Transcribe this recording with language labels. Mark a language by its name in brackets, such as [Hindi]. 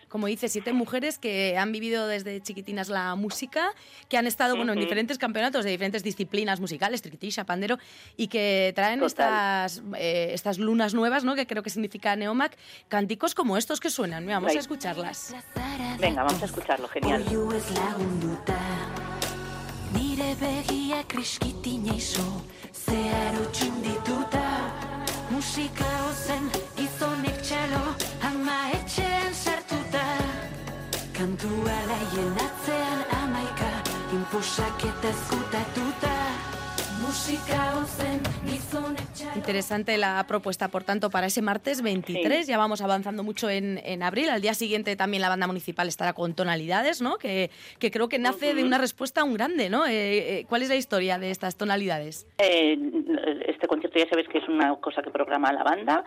[Spanish] Como dice, siete mujeres que han vivido desde chiquitinas la música, que han estado en diferentes campeonatos de diferentes disciplinas musicales, triquitisha, pandero, y que traen estas lunas nuevas, ¿no?, que creo que significa Neomac, canticos como estos que suenan. Mira, vamos a escucharlas. Venga, vamos a escucharlo, genial. [Basque] Oiu ez lagunduta, nire begia kriskitin eizo, zeharo txindituta, musika ozen gizonek txalo, ama etxean sartuta, kantua laien atzean amaika, inposak eta eskutatuta, musika ozen. [Spanish] Interesante la propuesta, por tanto, para ese martes 23. Sí. Ya vamos avanzando mucho en abril. Al día siguiente también la banda municipal estará con Tonalidades, ¿no?, que creo que nace de una respuesta a un grande, ¿no? ¿Cuál es la historia de estas Tonalidades? Este concierto ya sabes que es una cosa que programa la banda.